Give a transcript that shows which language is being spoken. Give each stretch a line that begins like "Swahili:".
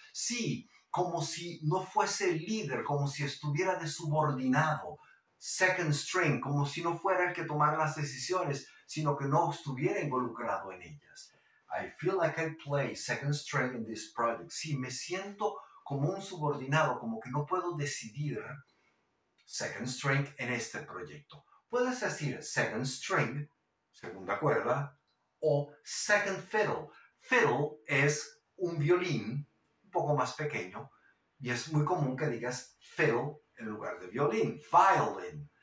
Spanish: Sí, como si no fuese el líder, como si estuviera de subordinado. Second string, como si no fuera el que tomara las decisiones, sino que no estuviera involucrado en ellas.
English: I feel like I play second string in this project.
Spanish: Sí, me siento como un subordinado, como que no puedo decidir second string en este proyecto. Puedes decir second string, segunda cuerda, o second fiddle. Fiddle es un violín un poco más pequeño y es muy común que digas fiddle en lugar de violín. Violin.